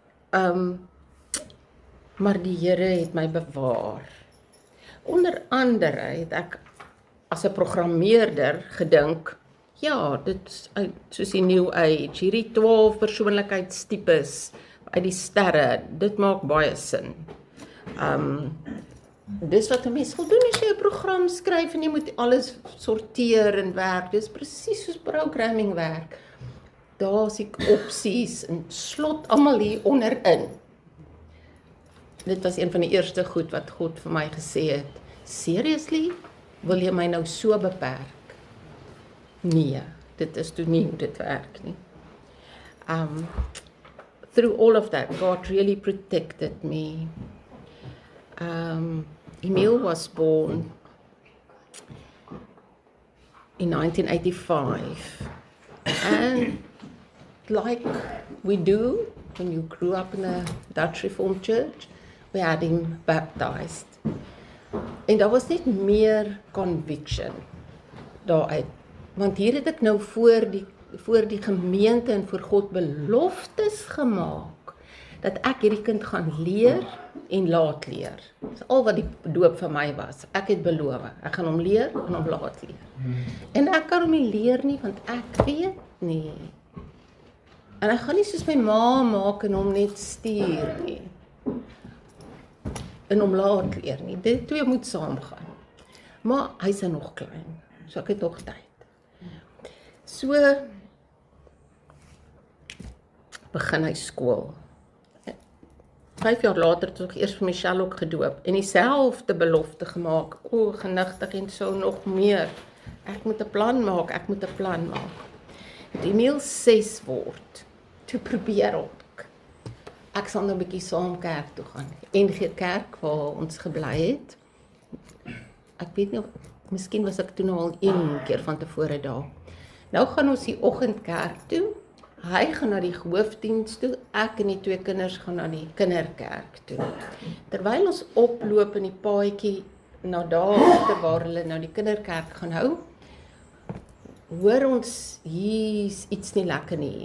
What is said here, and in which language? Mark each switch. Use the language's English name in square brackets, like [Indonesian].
[Afrikaans] Maar die Here het my bewaar. Onder andere het ek as 'n programmeerder gedink, ja, dit is soos die New Age, hierdie 12 persoonlikheidstipes uit die sterre, dit maak baie sin. Dis wat 'n mens wil doen as jy 'n program skryf en jy moet alles sorteer en werk, dis presies soos programming werk. Daar is ek opsies en slot allemaal hier onderin. Dit was een van die eerste goed wat God vir my gesê het. Seriously? Wil jy my nou so beperk? Nee, dit is toe nie hoe dit werk nie. [English] Through all of that, God really protected me. Emil was born in 1985. And like we do when you grew up in a Dutch Reformed church, we had him baptized. [Afrikaans] En daar was net meer conviction daaruit. Want hier het ek nou voor die gemeente en voor God beloftes gemaak dat ek hierdie kind gaan leer en laat leer. Dis al wat die doop vir my was. Ek het beloof, ek gaan hom leer en hom laat leer. En ek kan hom nie leer nie, want ek weet nie. En ek gaan nie soos my ma maak en hom net stuur nie. En hom laat leer nie. Dit twee moet saamgaan. Maar hy is nog klein. So ek het nog tyd. So begin hy skool. 5 jaar later het ek eers vir Michelle ook gedoop en dieselfde belofte gemaak. O, genigtig en so nog meer. Ek moet 'n plan maak. Het Emiel 6 word, toe probeer ook. Ek sal nou 'n bietjie saam kerk toe gaan. NG Kerk waar ons gebly het. Ek weet nie of miskien was ek toe nou al een keer van tevore daar. Nou gaan ons die oggend kerk toe. Hy gaan na die hoofdiens toe, ek en die twee kinders gaan na die kinderkerk toe. Terwyl ons oploop in die paadjie na daar te waar hulle na die kinderkerk gaan hou, hoor ons hier iets nie lekker nie.